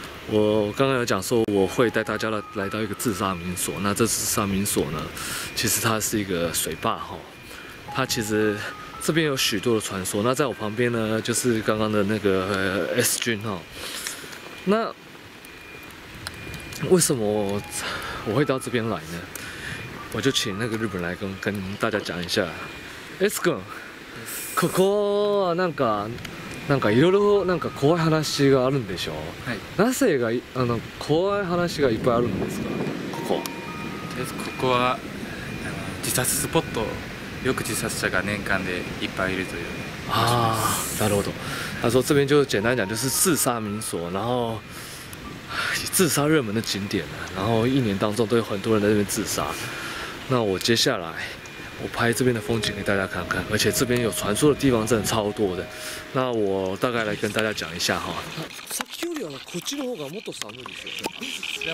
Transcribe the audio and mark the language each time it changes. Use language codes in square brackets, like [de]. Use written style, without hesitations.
[zh] 我刚刚有讲说我会带大家来到一个自杀民所，那这自杀民所呢，其实它是一个水坝哈，它其实这边有许多的传说。那在我旁边呢，就是刚刚的那个 S 君哈。那为什么我会到这边来呢？我就请那个日本来跟大家讲一下。 [ja] S 君，ここなんか。なんかいろいろなんか怖い話があるんでしょ。はい。なぜがあの怖い話がいっぱいあるんですか。ここ。とりあえずここは自殺スポット。よく自殺者が年間でいっぱいいるという。ああ、なるほど。 [zh] 他说这边就简单讲就是自杀民所，然后自杀热门的景点呢，然后一年当中都有很多人在那边自杀。那我接下来。我拍这边的风景给大家看看，而且这边有传说的地方真的超多的。那我大概来跟大家讲一下哈。 [ja] さっきよりはこっちの方がもっと寒いですよ。